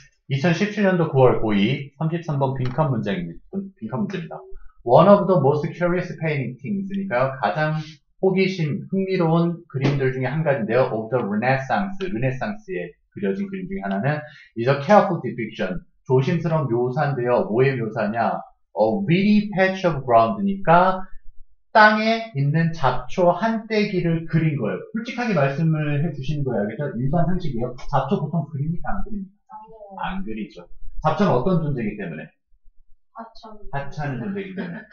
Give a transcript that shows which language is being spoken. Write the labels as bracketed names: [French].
[Korean] 2017년도 9월 고2 33번 빈칸 문제입니다. [English] One of the most curious paintings니까요. [Korean] 가장 호기심, 흥미로운 그림들 중에 한 가지인데요. [English] Of the Renaissance, [Korean] 르네상스에 그려진 그림 중에 하나는 [English] is a careful depiction. [Korean] 조심스러운 묘사인데요. 뭐의 묘사냐? [English] A weedy patch of ground [Korean] 니까 땅에 있는 잡초 한때기를 그린 거예요. 솔직하게 말씀을 해주시는 거예요. 그렇죠? 일반 상식이에요. 잡초 보통 그립니까? 안 그립니까? 안 그리죠. 잡초는 어떤 존재이기 때문에? 하찮은 존재이기 때문에.